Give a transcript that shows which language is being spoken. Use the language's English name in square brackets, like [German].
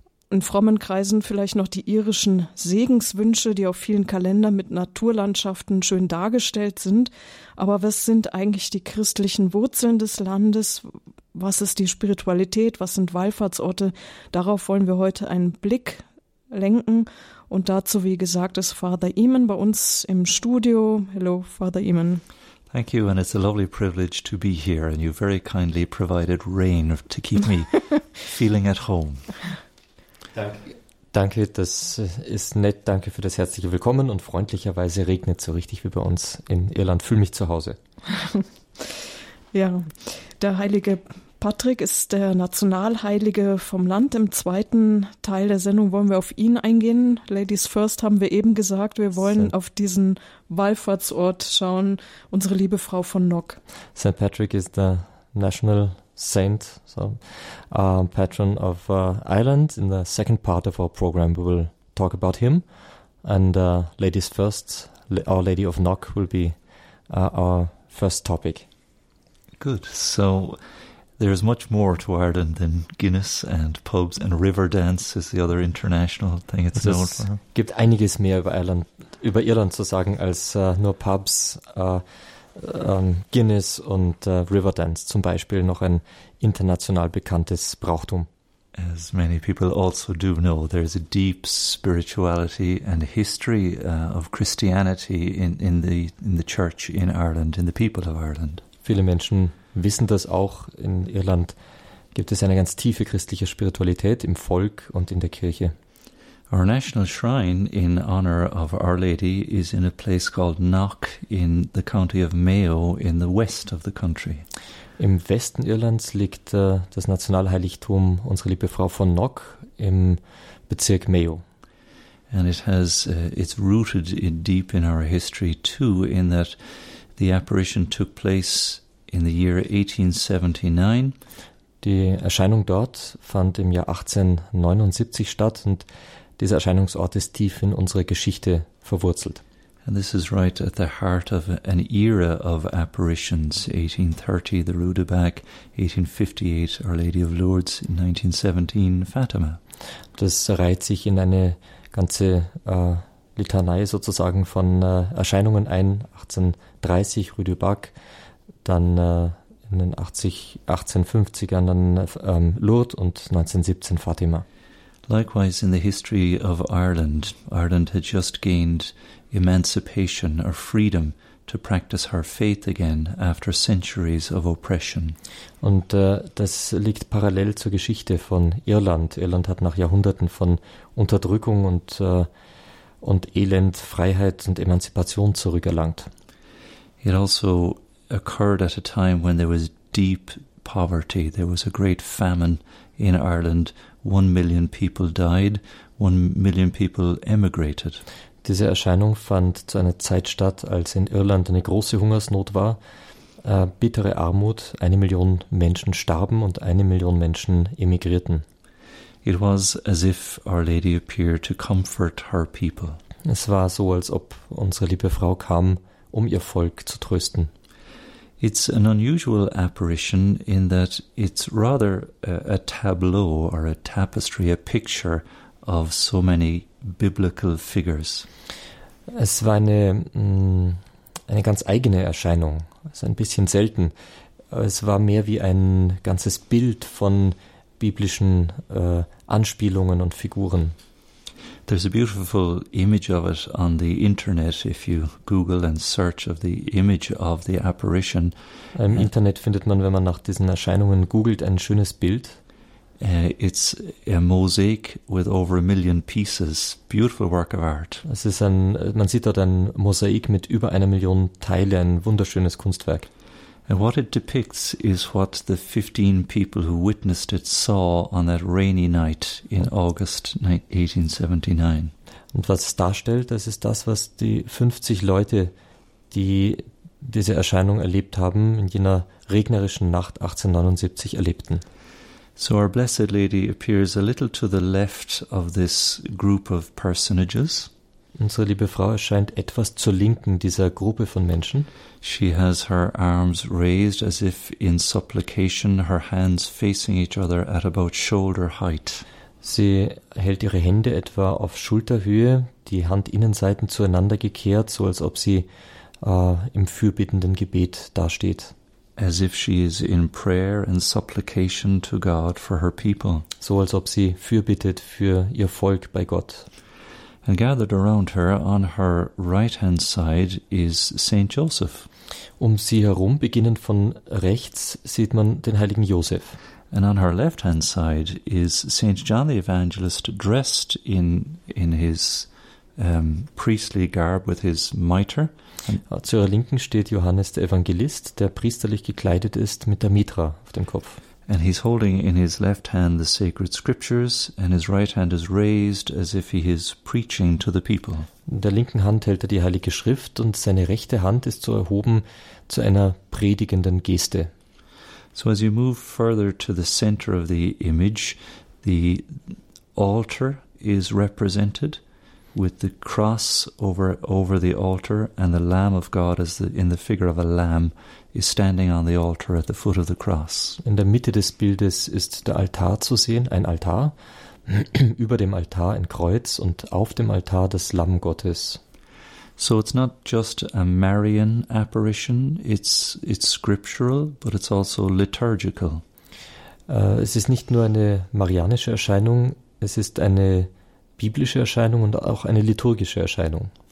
[German] In frommen Kreisen vielleicht noch die irischen Segenswünsche, die auf vielen Kalendern mit Naturlandschaften schön dargestellt sind. Aber was sind eigentlich die christlichen Wurzeln des Landes? Was ist die Spiritualität? Was sind Wallfahrtsorte? Darauf wollen wir heute einen Blick lenken. Und dazu, wie gesagt, ist Father Eamon bei uns im Studio. [English] Hello, Father Eamon. Thank you, and it's a lovely privilege to be here. And you very kindly provided rain to keep me feeling at home. [German] Danke, das ist nett. Danke für das herzliche Willkommen. Und freundlicherweise regnet so richtig wie bei uns in Irland. Fühl mich zu Hause. Ja, der heilige Patrick ist der Nationalheilige vom Land. Im zweiten Teil der Sendung wollen wir auf ihn eingehen. [English] Ladies first, [German] haben wir eben gesagt. Wir wollen auf diesen Wallfahrtsort schauen, unsere liebe Frau von Knock. [English] St. Patrick [German] ist der [English] National Saint, Patron of Ireland. In the second part of our program, we will talk about him. And ladies first, Our Lady of Knock will be our first topic. Good. So there is much more to Ireland than Guinness and pubs, and river dance is the other international thing it's known for. [German] Es gibt einiges mehr über Irland zu sagen als nur Pubs, Guinness und river dance, zum Beispiel noch ein international bekanntes Brauchtum. [English] As many people also do know, there is a deep spirituality and a history of Christianity in the church in Ireland, in the people of Ireland. [German] Viele Menschen wissen das auch. In Irland gibt es eine ganz tiefe christliche Spiritualität im Volk und in der Kirche. [English] Our national shrine in honor of Our Lady is in a place called Knock in the county of Mayo in the west of the country. [German] Im Westen Irlands liegt das Nationalheiligtum Unsere liebe Frau von Knock im Bezirk Mayo. [English] And it has it's rooted in deep in our history too, in that the apparition took place in the year 1879. [German] Die Erscheinung dort fand im Jahr 1879 statt, und dieser Erscheinungsort ist tief in unsere Geschichte verwurzelt. [English] And this is right at the heart of an era of apparitions, 1830 the Rudaback, 1858 Our Lady of Lourdes, 1917 Fatima. [German] Das reiht sich in eine ganze Litanei sozusagen von Erscheinungen ein, 1830 Rudaback, dann in den 1850ern dann Lourdes und 1917 Fatima. [English] Likewise in the history of Ireland, Ireland had just gained emancipation or freedom to practice her faith again after centuries of oppression. [German] Und das liegt parallel zur Geschichte von Irland. Irland hat nach Jahrhunderten von Unterdrückung und Elend Freiheit und Emanzipation zurückerlangt. [English] It also occurred at a time when there was deep poverty. There was a great famine in Ireland. 1 million people died. 1 million people emigrated. [German] Diese Erscheinung fand zu einer Zeit statt, als in Irland eine große Hungersnot war, bittere Armut, 1 Million Menschen starben und 1 Million Menschen emigrierten. [English] It was as if Our Lady appeared to comfort her people. [German] Es war so, als ob unsere liebe Frau kam, um ihr Volk zu trösten. [English] It's an unusual apparition in that it's rather a tableau or a tapestry, a picture of so many biblical figures. [German] Es war eine ganz eigene Erscheinung, also ein bisschen selten. Es war mehr wie ein ganzes Bild von biblischen Anspielungen und Figuren. [English] There's a beautiful image of it on the internet if you Google and search of the image of the apparition. [German] Im Internet findet man, wenn man nach diesen Erscheinungen googelt, ein schönes Bild. [English] It's a mosaic with over 1 million pieces. Beautiful work of art. [German] Es ist man sieht dort ein Mosaik mit über 1 Million Teilen, ein wunderschönes Kunstwerk. [English] And what it depicts is what the 15 people who witnessed it saw on that rainy night in August 1879. [German] Und was es darstellt, das ist das, was die 50 Leute, die diese Erscheinung erlebt haben, in jener regnerischen Nacht 1879 erlebten. [English] So our Blessed Lady appears a little to the left of this group of personages. [German] Unsere liebe Frau erscheint etwas zur Linken dieser Gruppe von Menschen. [English] She has her arms raised as if in supplication, her hands facing each other at about shoulder height. [German] Sie hält ihre Hände etwa auf Schulterhöhe, die Handinnenseiten zueinander gekehrt, so als ob sie im fürbittenden Gebet dasteht. [English] As if she is in prayer and supplication to God for her people. [German] So als ob sie fürbittet für ihr Volk bei Gott. [English] And gathered around her, on her right hand side, is Saint Joseph. [German] Um sie herum, beginnend von rechts, sieht man den heiligen Josef. [English] And on her left hand side is Saint John the Evangelist, dressed in his priestly garb with his mitre. [German] Zu ihrer Linken steht Johannes der Evangelist, der priesterlich gekleidet ist mit der Mitra auf dem Kopf. [English] And he's holding in his left hand the sacred scriptures, and his right hand is raised as if he is preaching to the people. [German] In der linken Hand hält die heilige Schrift und seine rechte Hand ist so erhoben zu einer predigenden Geste. [English] So as you move further to the center of the image, the altar is represented with the cross over the altar, and the Lamb of God as in the figure of a lamb is standing on the altar at the foot of the cross. [German] In der Mitte des Bildes ist der Altar zu sehen, ein Altar, über dem Altar ein Kreuz und auf dem Altar das Lamm Gottes. [English] So it's not just a Marian apparition, it's scriptural, but it's also liturgical. [German] Es ist nicht nur eine marianische Erscheinung, es ist eine biblische Erscheinung und auch eine liturgische Erscheinung.